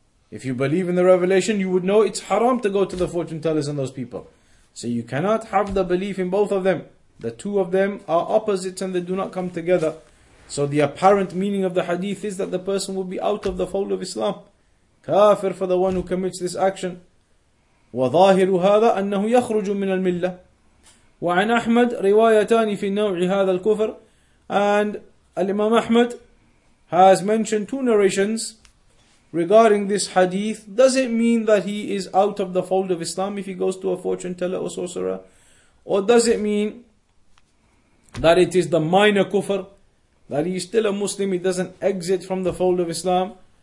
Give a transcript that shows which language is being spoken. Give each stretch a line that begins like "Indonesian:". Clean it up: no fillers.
English: If you believe in the revelation, you would know it's haram to go to the fortune tellers and those people. So you cannot have the belief in both of them. The two of them are opposites and they do not come together. So the apparent meaning of the hadith is that the person will be out of the fold of Islam. Kafir for the one who commits this action.
Arabic: وَظَاهِرُ هَذَا أَنَّهُ يَخْرُجُ مِنَ الْمِلَّةِ وعن أحمد روايتان في النوع هذا الكفر.
English: And Imam Ahmad has mentioned two narrations regarding this hadith. Does it mean that he is out of the fold of Islam if he goes to a fortune teller or sorcerer? Or does it mean that it is the minor kufr, that he is still a Muslim, he doesn't exit from the fold of Islam?